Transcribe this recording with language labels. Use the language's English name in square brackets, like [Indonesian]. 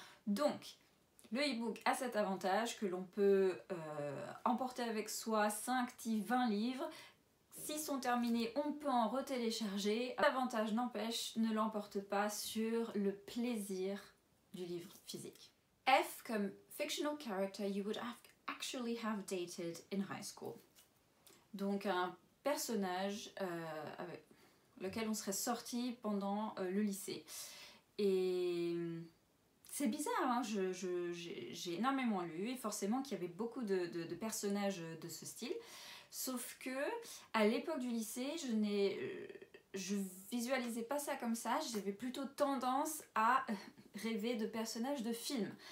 [French] Donc, le e-book a cet avantage que l'on peut emporter avec soi 5, 10, 20 livres. S'ils sont terminés, on peut en retélécharger. L'avantage n'empêche, ne l'emporte pas sur le plaisir du livre physique. F comme [English] fictional character you would actually have dated in high school. [French] Donc un personnage avec lequel on serait sorti pendant le lycée. Et c'est bizarre, hein, j'ai énormément lu et forcément qu'il y avait beaucoup de personnages de ce style. Sauf que à l'époque du lycée, je visualisais pas ça comme ça, j'avais plutôt tendance à rêver de personnages de films.